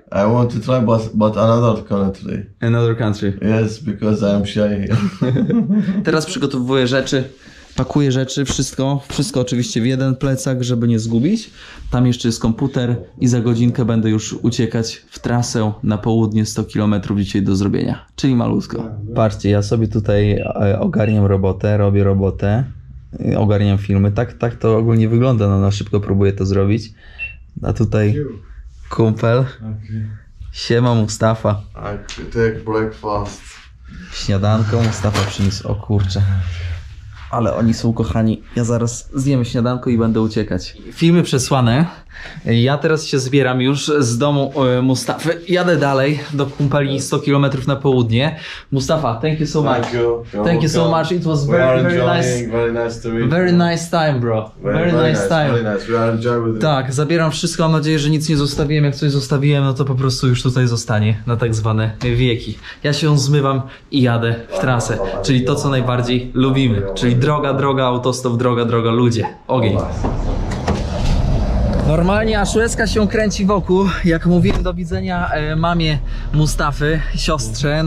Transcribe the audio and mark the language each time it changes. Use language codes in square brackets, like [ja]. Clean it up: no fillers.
[en] I want to try, but another country. Another country. Yes, because I am shy here. [pl] Teraz przygotowuję rzeczy, pakuję rzeczy, wszystko oczywiście w jeden plecak, żeby nie zgubić. Tam jeszcze jest komputer i za godzinkę będę już uciekać w trasę na południe, 100 km dzisiaj do zrobienia, czyli malutko. Patrzcie, ja sobie tutaj ogarniam robotę, robię robotę, ogarniam filmy. Tak to ogólnie wygląda, no szybko próbuję to zrobić. A tutaj kumpel. Siema Mustafa. [en] I take breakfast. [pl] Śniadanko Mustafa przyniósł. O kurczę. Ale oni są kochani. Ja zaraz zjem śniadanko i będę uciekać. Filmy przesłane. Ja teraz się zbieram już z domu Mustafy. Jadę dalej do kumpeli 100 km na południe. [en] Mustafa, thank you so much. Thank you. Thank you so much. It was very, very nice. Very nice to meet you. Very nice time, bro. Very nice time. Very nice. We are enjoying with you. [pl] Tak, zabieram wszystko. Mam nadzieję, że nic nie zostawiłem. Jak coś zostawiłem, no to po prostu już tutaj zostanie na tak zwane wieki. Ja się zmywam i jadę w trasę. Czyli to, co najbardziej lubimy. Czyli droga, autostop, droga, ludzie. Ogień. Normalnie aż łezka się kręci wokół, jak mówiłem, do widzenia mamie Mustafy, siostrze.